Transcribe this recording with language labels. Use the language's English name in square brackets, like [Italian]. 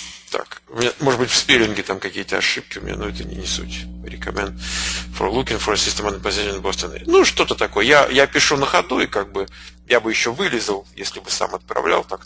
[Russian] Так, у меня, может быть, в спеллинге там какие-то ошибки у меня, но это не суть. [English] Recommend for looking for a system and position in Boston. [Russian] Ну, что-то такое. Я пишу на ходу, и как бы я бы еще вылезал, если бы сам отправлял так.